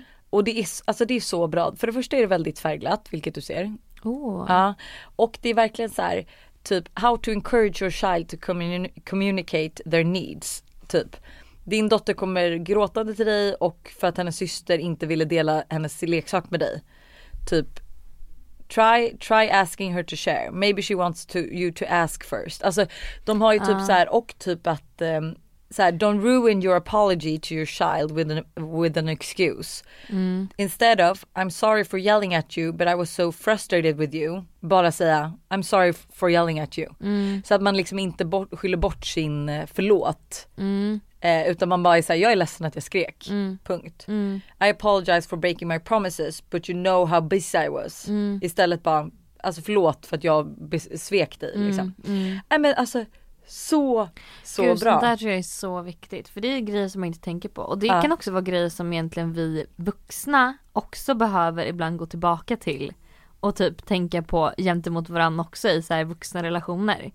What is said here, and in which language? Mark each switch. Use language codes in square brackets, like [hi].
[sv] Och det är, alltså det är så bra. För det första är det väldigt färgglatt, vilket du ser. Ja. Och det är verkligen så här, typ [en] how to encourage your child to communicate their needs, [sv] typ. Din dotter kommer gråtande till dig, och för att hennes syster inte ville dela hennes leksak med dig. [en] Typ, try asking her to share. Maybe she wants you to ask first. [sv] Alltså, de har ju typ så här, och typ att så här, [en] don't ruin your apology to your child with an excuse. Instead of, I'm sorry for yelling at you, but I was so frustrated with you. [sv] Bara säga, [en] I'm sorry for yelling at you. [sv] Så att man liksom inte skyller bort sin förlåt. Utan man bara säger, jag är ledsen att jag skrek. Punkt. [en] I apologize for breaking my promises, but you know how busy I was. [sv] Istället bara, alltså förlåt för att jag svek dig. Nej, men alltså, så gud, bra. Gud, sånt där tror jag är så viktigt. För det är grejer som man inte tänker på. Och det kan också vara grejer som egentligen vi vuxna också behöver ibland gå tillbaka till. Och typ tänka på gentemot varandra också i så här vuxna relationer.